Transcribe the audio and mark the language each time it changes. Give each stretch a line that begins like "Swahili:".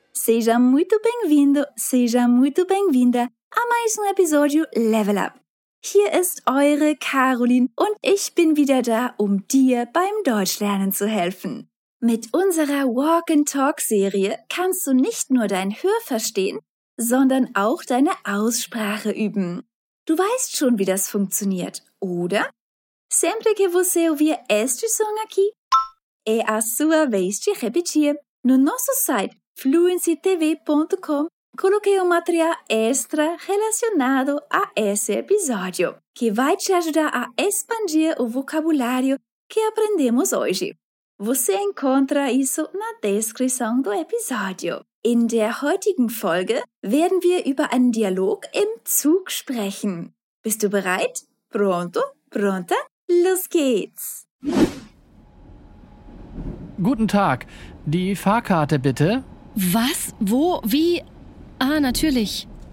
Portuguese: Seja muito bem-vindo, seja muito bem-vinda a mais episódio Level Up.
German: Hier ist eure Caroline und ich bin wieder da, um dir beim Deutschlernen zu helfen. Mit unserer Walk and Talk Serie kannst du nicht nur dein Hörverstehen, sondern auch deine Aussprache üben. Du weißt schon, wie das funktioniert, oder?
Portuguese: Sempre que você ouvir este som aqui, é a sua vez de repetir. No nosso site fluencytv.com, coloquei um material extra relacionado a esse episódio, que vai te ajudar a expandir o vocabulário que aprendemos hoje. Você encontra isso na descrição do episódio.
German: In der heutigen Folge werden wir über einen Dialog im Zug sprechen. Bist du bereit?
Portuguese: Pronto? Pronta?
German: Los geht's! Guten Tag. Die Fahrkarte bitte. Was? Wo? Wie? Ah, natürlich.